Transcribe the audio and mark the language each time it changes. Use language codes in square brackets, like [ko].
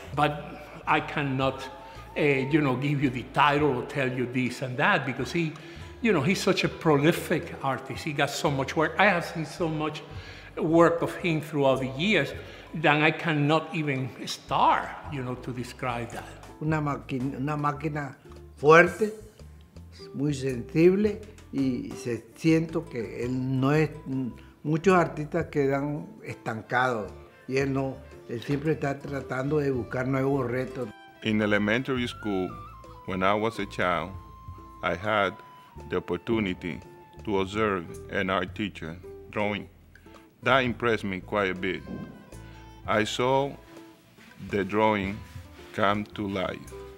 [en] But I cannot, you know, give you the title or tell you this and that because he, you know, he's such a prolific artist. He got so much work. I have seen so much work of him throughout the years that I cannot even start, you know, to describe that. [es] Una máquina fuerte, muy sensible, y se siento que él no es, muchos artistas quedan estancados, y él no, él siempre está tratando de buscar nuevos retos. [en] In elementary school, when I was a child, I had the opportunity to observe an art teacher drawing. That impressed me quite a bit. I saw the drawing come to life.